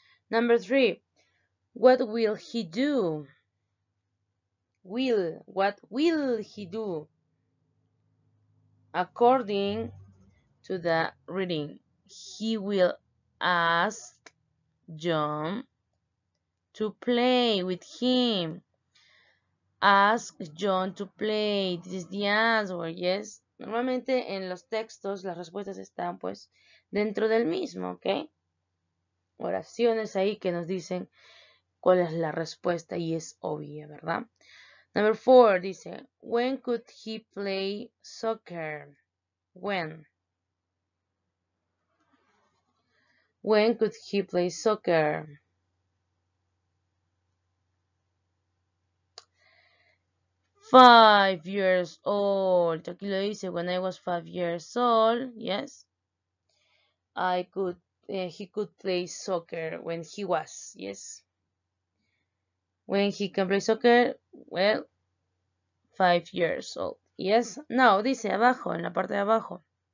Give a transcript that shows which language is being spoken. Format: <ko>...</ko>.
<en>Number three, what will he do? What will he do? According to the reading, he will ask John to play with him. Ask John to play. This is the answer, yes.</en> <es>Normalmente en los textos las respuestas están pues dentro del mismo, ¿ok? Oraciones ahí que nos dicen ¿Cuál es la respuesta? Y es obvia, ¿verdad?</es> <en>Number four dice, when could he play soccer? When could he play soccer? Five years old.</en> <es>Aquí lo dice,</es> <en>when I was 5 years old, yes. He could play soccer when he was, yes. When he can play soccer, well, 5 years old, yes.</en> <es>Now, dice abajo, en la parte de abajo.</es>